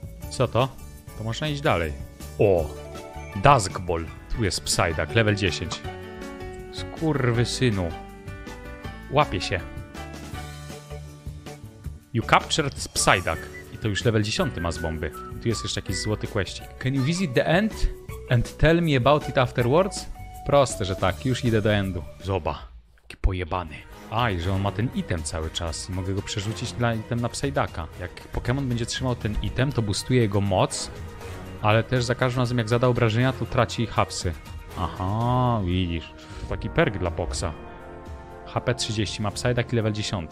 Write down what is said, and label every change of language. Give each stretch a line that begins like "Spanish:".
Polish: Co to? To można iść dalej. O! Dusk Ball. Tu jest Psyduck, level 10. Skurwysynu. Łapie się.
English: You captured Psyduck.
Polish: I to już level 10 ma z bomby. Tu jest jeszcze jakiś złoty questik.
English: Can you visit the end and tell me about it afterwards?
Polish: Proste, że tak, już idę do endu. Zoba. Jaki pojebany. A, i że on ma ten item cały czas i mogę go przerzucić na item na Psyduck'a. Jak Pokemon będzie trzymał ten item, to boostuje jego moc, ale też za każdym razem jak zada obrażenia, to traci hapsy. Aha, widzisz. To taki perk dla boksa. HP 30, ma Psyduck i level 10.